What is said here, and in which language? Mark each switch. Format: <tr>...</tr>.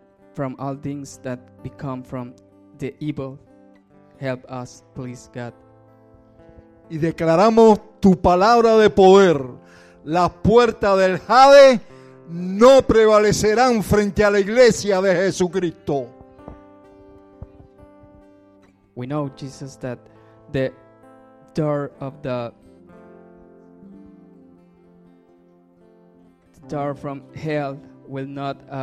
<en>From all things that become from the evil, help us, please, God.</en> <es>Y declaramos tu palabra de poder. Las puertas del Hades no prevalecerán frente a la iglesia de Jesucristo.</es> <en>We know, Jesus, that the door of the door from hell will not</en>